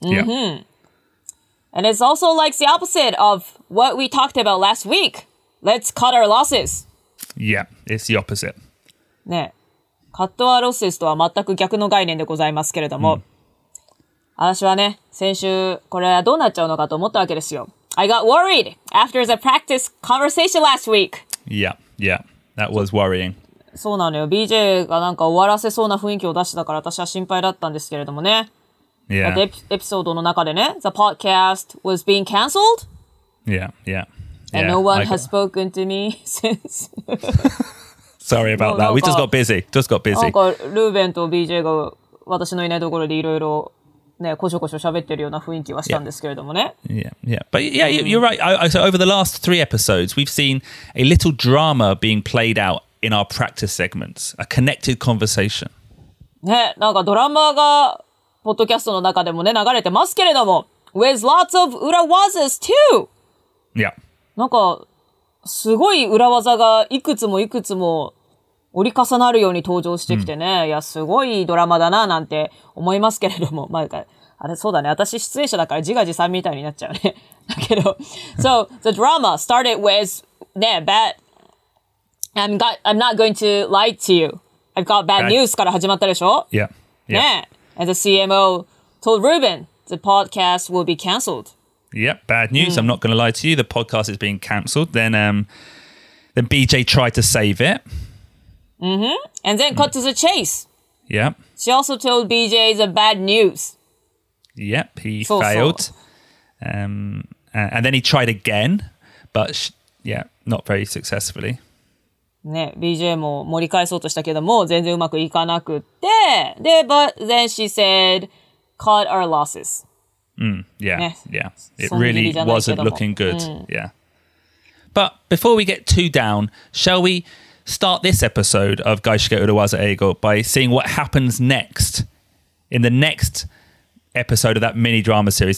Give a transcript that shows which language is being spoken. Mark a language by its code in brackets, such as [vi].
[en] And it's also like the opposite of what we talked about last week. Let's cut our losses. Yeah, it's the opposite. [ja] ね。カットアロスとは全く逆の概念でございますけれども。私はね、先週これはどうなっちゃうのかと思ったわけですよ。 [en] I got worried after the practice conversation last week. Yeah, yeah. That was worrying. [ja] そうなのよ。 BJ がなんか終わらせそうな雰囲気を出したから私は心配だったんですけれどもね。 [en] Yeah. [ja] エピソードの中でね、 [en] The podcast was being cancelled. Yeah, yeah. And no one has spoken to me since. Sorry about that. We just got busy. [ja] なんかルーベンと BJ が私のいないところでいろいろね、こしょこしょ喋ってるような雰囲気はしたんですけれどもね。 [en] But you're right. So over the last three episodes, we've seen a little drama being played out in our practice segments, a connected conversation. [ja] ね、なんかドラマがポッドキャストの中でもね流れてますけれども、 [en] with lots of [ja] 裏技 too. [en] Yeah. [ja] なんかすごい裏技がいくつもいくつも折り重なるように登場してきてね、うん、いや、すごいドラマだな、なんて思いますけれども、まあ、あれ、そうだね、私出演者だから自画自賛みたいになっちゃうね。だけど、 [en] So, the drama started with, ね、bad, I'm not going to lie to you. I've got bad news [ja] から始まったでしょ [en] Yeah. Yeah. ね、And the CMO told Ruben, the podcast will be cancelled. Yeah, bad news.、Mm. I'm not going to lie to you. The podcast is being cancelled. Then BJ tried to save it. Mm-hmm. And then cut to the chase. Yep. She also told BJ the bad news. Yep, he failed. And then he tried again, but not very successfully. [ja] ね、BJ も盛り返そうとしたけども、全然うまくいかなくて。 [en] で、but then she said, cut our losses. It really wasn't looking good.、Mm. Yeah. But before we get too down, shall we... Start this episode of Gaishike Urawaza Eigo by seeing what happens next in the next episode of that mini drama series.